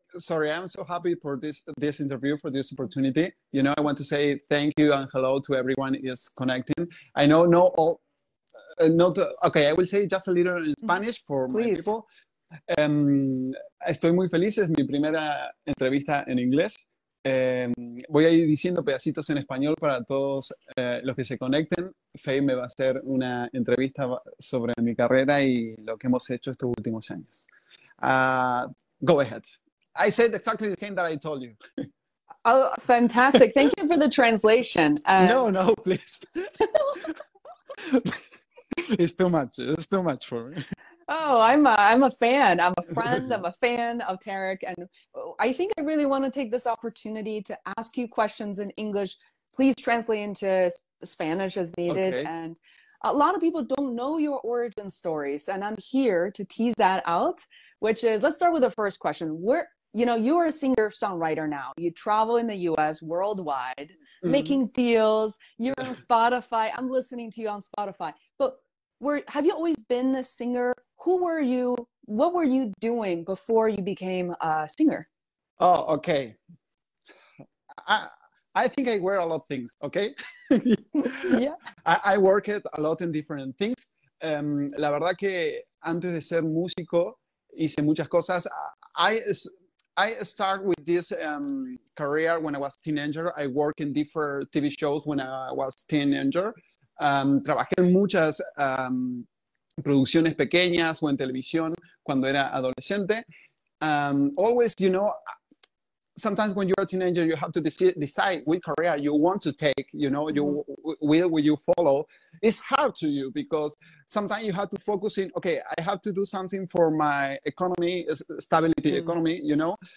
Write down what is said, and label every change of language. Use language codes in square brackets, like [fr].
[en] I'm so happy for this interview, for this opportunity. You know, I want to say thank you and hello to everyone who is connecting. I know not all, I will say just a little in Spanish for Please. My people. [es] Estoy muy feliz, es mi primera entrevista en inglés. Voy a ir diciendo pedacitos en español para todos los que se conecten. Faye me va a hacer una entrevista sobre mi carrera y lo que hemos hecho estos últimos años. [en] Go ahead. I said exactly the same that I told you. Oh, fantastic. Thank you for the translation. No, please. It's too much for me. Oh, I'm a fan. I'm a friend. I'm a fan of Tarek. And I think I really want to take this opportunity to ask you questions in English. Please translate into Spanish as needed. Okay. And a lot of people don't know your origin stories, and I'm here to tease that out. Which is, let's start with the first question. Where, you know, you are a singer-songwriter now. You travel in the US worldwide, making deals. You're on Spotify. I'm listening to you on Spotify. But have you always been a singer? Who were you? What were you doing before you became a singer? Oh, okay. I think I wear a lot of things, okay? Yeah. I worked a lot in different things. [es] La verdad que antes de ser músico, hice muchas cosas. I [en] I started with this career when I was a teenager. I worked in different TV shows when I was a teenager. [es] Trabajé en muchas producciones pequeñas o en televisión cuando era adolescente. [en] Always, you know, sometimes when you're a teenager, you have to decide which career you want to take, you know, will you follow. It's hard to you because sometimes you have to focus in, okay, I have to do something for my economy, stability economy, you know.